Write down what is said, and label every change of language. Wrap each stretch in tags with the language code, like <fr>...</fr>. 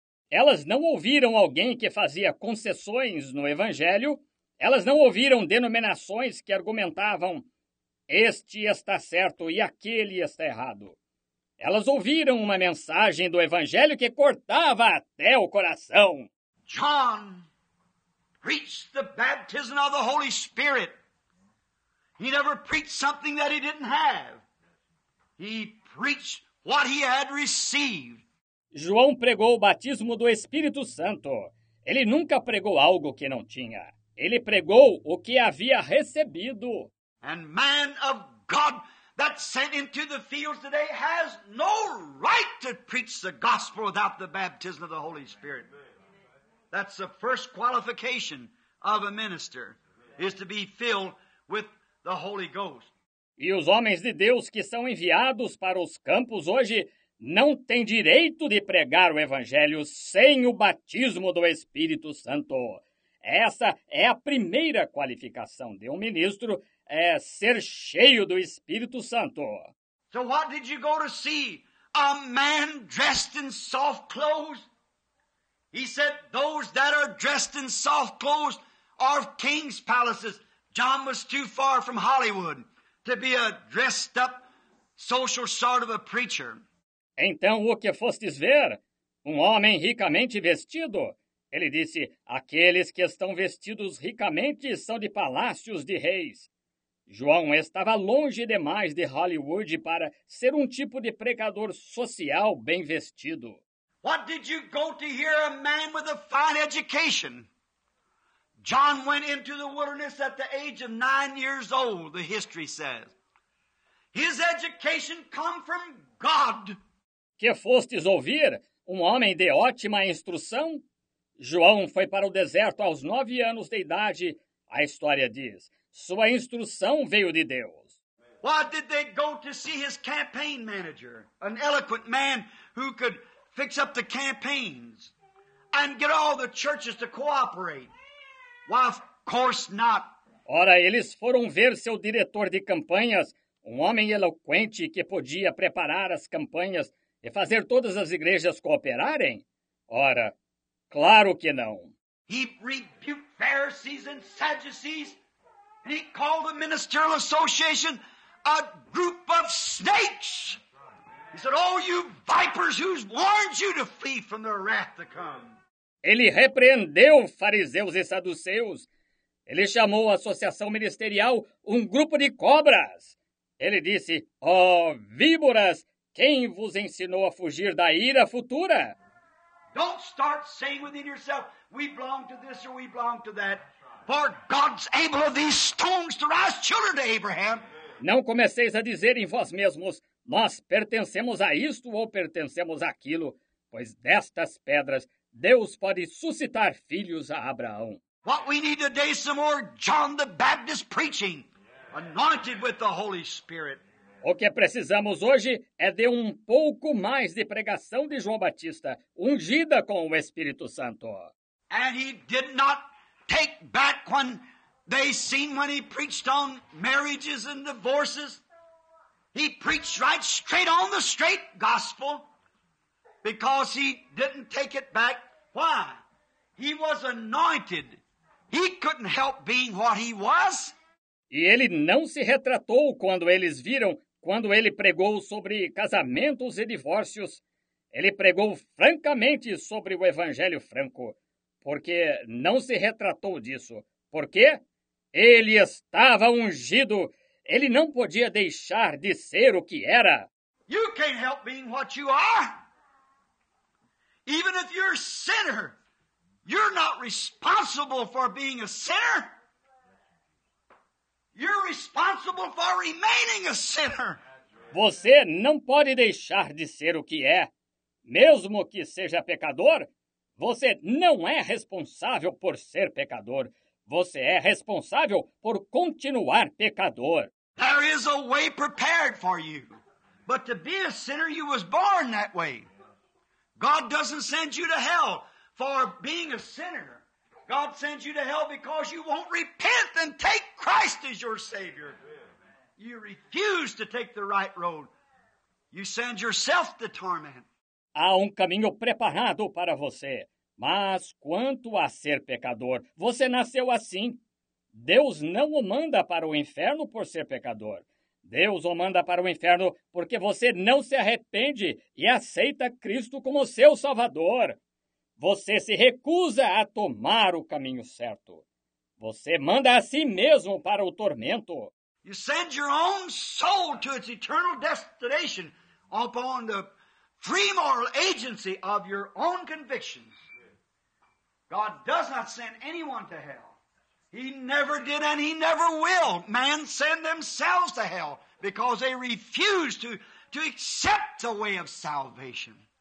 <pt>Elas não ouviram alguém que fazia concessões no Evangelho. Elas não ouviram denominações que argumentavam este está certo e aquele está errado. Elas ouviram uma mensagem do Evangelho que cortava até o coração.</pt> <en>John preached the baptism of the Holy Spirit. He never preached something that he didn't have. He preached what he had received.</en> <pt>João pregou o batismo do Espírito Santo. Ele nunca pregou algo que não tinha. Ele pregou o que havia recebido.</pt> <en>And man of God that's sent into the fields today has no right to preach the gospel without the baptism of the Holy Spirit. That's the first qualification of a minister, is to be filled with the Holy Ghost.</en> <pt>E os homens de Deus que são enviados para os campos hoje não têm direito de pregar o Evangelho sem o batismo do Espírito Santo. Essa é a primeira qualificação de um ministro, é ser cheio do Espírito Santo.</pt> <en>So what did you go to see? A man dressed in soft clothes? He said, those that are dressed in soft clothes are of king's palaces. John was too far from Hollywood to be a dressed up social sort of a preacher.</en> <pt>Então o que fostes ver? Um homem ricamente vestido? Ele disse, aqueles que estão vestidos ricamente são de palácios de reis. João estava longe demais de Hollywood para ser um tipo de pregador social bem vestido.</pt> <en>What did you go to hear a man with a fine education? John went into the wilderness at the age of 9 years old, the history says. His education come from God.</en> <pt>Que fostes ouvir? Um homem de ótima instrução? João foi para o deserto aos 9 anos de idade, a história diz. Sua instrução veio de Deus.</pt> <en>Why did they go to see his campaign manager, an eloquent man who could fix up the campaigns and get all the churches to cooperate? Why, of course not.</en> <pt>Ora, eles foram ver seu diretor de campanhas, um homem eloquente que podia preparar as campanhas e fazer todas as igrejas cooperarem? Ora, claro que não.</pt> <en>He rebuked Pharisees and Sadducees, and he called the ministerial association a group of snakes. He said, oh, you vipers, who's warned you to flee from the wrath to come?</en> <pt>Ele repreendeu fariseus e saduceus. Ele chamou a associação ministerial um grupo de cobras. Ele disse, oh, víboras, quem vos ensinou a fugir da ira futura?</pt> <en>Don't start saying within yourself, we belong to this or we belong to that. For God's able of these stones to rise children to Abraham.</en> <pt>Não comeceis a dizer em vós mesmos, nós pertencemos a isto ou pertencemos àquilo, pois destas pedras Deus pode suscitar filhos a Abraão.</pt> <en>What we need today is some more John the Baptist preaching, anointed with the Holy Spirit.</en> <pt>O que precisamos hoje é de um pouco mais de pregação de João Batista, ungida com o Espírito Santo.</pt> <en>And he did not take back when they seen when he preached on marriages and divorces. He preached right straight on the straight gospel because he didn't take it back. Why? He was anointed. He couldn't help being what he was.</en> <pt>E ele não se retratou quando eles viram, quando ele pregou sobre casamentos e divórcios. Ele pregou francamente sobre o Evangelho franco, porque não se retratou disso. Por quê? Ele estava ungido. Ele não podia deixar de ser o que era.</pt> <en>You can't help being what you are. Even if you're a sinner, you're not responsible for being a sinner. You're responsible for remaining a sinner.</en> <pt>Você não pode deixar de ser o que é. Mesmo que seja pecador, você não é responsável por ser pecador. Você é responsável por continuar pecador.</pt> <en>There is a way prepared for you. But to be a sinner, you was born that way. God doesn't send you to hell for being a sinner. God sends you to hell because you won't repent and take Christ as your Savior. You refuse to take the right road. You send yourself to torment.</en> <pt>Há caminho preparado para você. Mas quanto a ser pecador, você nasceu assim. Deus não o manda para o inferno por ser pecador. Deus o manda para o inferno porque você não se arrepende e aceita Cristo como seu Salvador. Você se recusa a tomar o caminho certo. Você manda a si mesmo para o tormento.</pt> <en>You send your own soul to its eternal destination upon the free moral agency of your own convictions. God does not send anyone to hell. He never did and he never will. Man send themselves to hell because they refuse to accept the way of salvation.</en>